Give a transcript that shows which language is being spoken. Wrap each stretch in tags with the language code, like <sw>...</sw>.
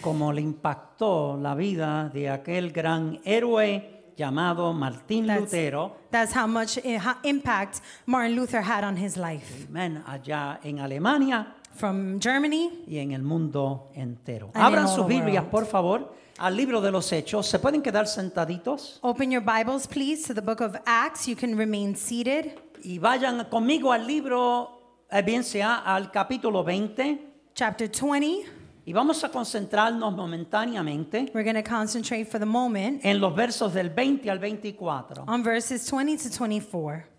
<es>Como le impactó la vida de aquel gran héroe llamado Martin Lutero.</es> <en>That's how much impact Martin Luther had on his life.</en> <es>Amen. Allá en Alemania.</es> <en>From Germany</en> <es>y en el mundo entero.</es> <en>And</en> <es>abran</es> <en>in</en> <es>sus Biblias, por favor, al libro de los Hechos. ¿Se pueden quedar sentaditos?</es> <en>Open your Bibles, please, to the book of Acts. You can remain seated.</en> <es>Y vayan conmigo al libro, bien sea al capítulo 20.</es> <en>Chapter 20.</en> <es>Y vamos a concentrarnos momentáneamente.</es> <en>We're going to concentrate for the moment.</en> <es>En los versos del 20 al 24.</es> <en>On verses 20 to 24.</en>